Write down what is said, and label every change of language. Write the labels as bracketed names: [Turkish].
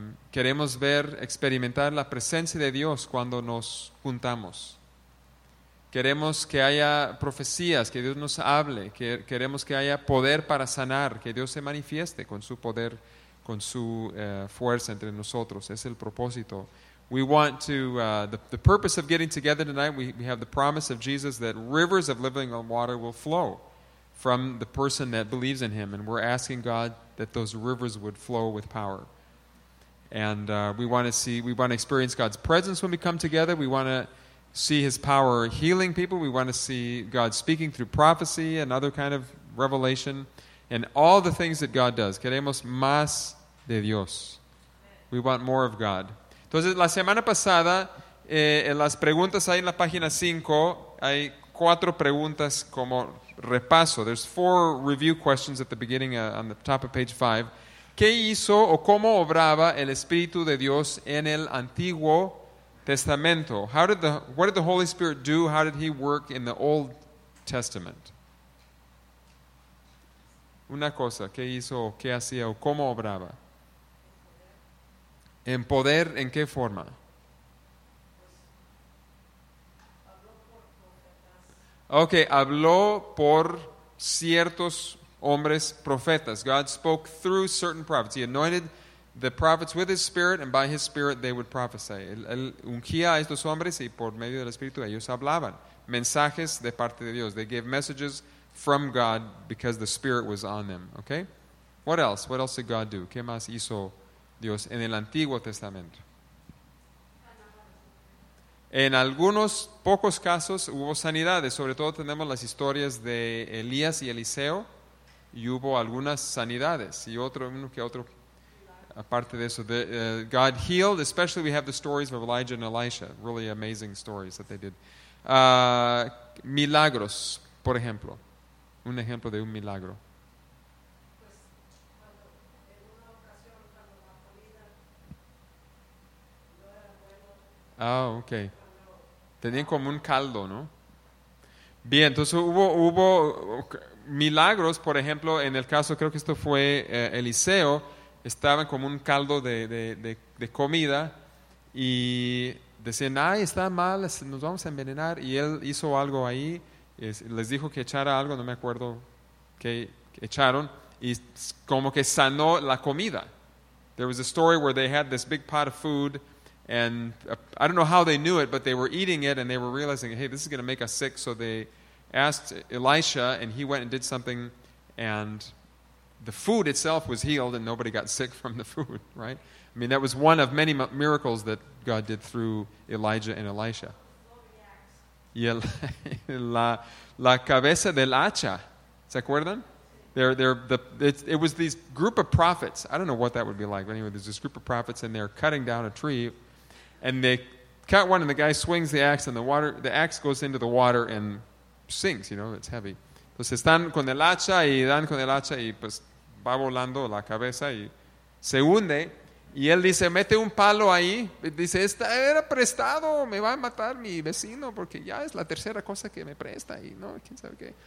[Spanish] Queremos ver, experimentar la presencia de Dios cuando nos juntamos. Queremos que haya profecías, que Dios nos hable, que queremos que haya poder para sanar, que Dios se manifieste con su poder, con su fuerza entre nosotros. Es el propósito. [English] We want to, the purpose of getting together tonight, we have the promise of Jesus that rivers of living water will flow from the person that believes in Him. And we're asking God that those rivers would flow with power. And we want to experience God's presence when we come together. We want to see His power healing people. We want to see God speaking through prophecy and other kind of revelation. And all the things that God does. [Spanish] Queremos más de Dios. [English] We want more of God. [Spanish] Entonces, la semana pasada, en las preguntas ahí en la página 5, hay cuatro preguntas como repaso. [English] There's four review questions at the beginning, on the top of page 5. [Spanish] ¿Qué hizo o cómo obraba el Espíritu de Dios en el Antiguo Testamento? [English] What did the Holy Spirit do? How did He work in the Old Testament? [Spanish] Una cosa, ¿qué hizo o qué hacía o cómo obraba? ¿En poder, en qué forma? Ok, habló por ciertos hombres profetas. [English] God spoke through certain prophets. He anointed the prophets with His Spirit, and by His Spirit they would prophesy. [Spanish] Él ungía a estos hombres y por medio del Espíritu ellos hablaban. Mensajes de parte de Dios. [English] They gave messages from God because the Spirit was on them. Okay? What else? What else did God do? [Spanish] ¿Qué más hizo Dios en el Antiguo Testamento? En algunos pocos casos hubo sanidades, sobre todo tenemos las historias de Elías y Eliseo, y hubo algunas sanidades, y otro, uno que otro, aparte de eso. [English] God healed, especially we have the stories of Elijah and Elisha, really amazing stories that they did. [Spanish] Milagros, por ejemplo, un ejemplo de un milagro. Ah, ok. Tenían como un caldo, ¿no? Bien, entonces hubo milagros, por ejemplo, en el caso, creo que esto fue Eliseo, estaban como un caldo de comida y decían, ay, está mal, nos vamos a envenenar. Y él hizo algo ahí, les dijo que echara algo, no me acuerdo qué echaron, y como que sanó la comida. [English] There was a story where they had this big pot of food. And I don't know how they knew it, but they were eating it and they were realizing, hey, this is going to make us sick. So they asked Elisha and he went and did something and the food itself was healed and nobody got sick from the food, right? I mean, that was one of many miracles that God did through Elijah and Elisha. [Spanish] Y la cabeza del hacha, ¿se acuerdan? [English] It was this group of prophets. I don't know what that would be like, but anyway, there's this group of prophets and they're cutting down a tree. And they cut one, and the guy swings the axe, and the axe goes into the water and sinks, you know, it's heavy. [Spanish] Entonces están con el hacha, y dan con el hacha, y pues va volando la cabeza, y se hunde. Y él dice, mete un palo ahí. Dice, esta era prestado, me va a matar mi vecino, porque ya es la tercera cosa que me presta, y no, quién sabe qué.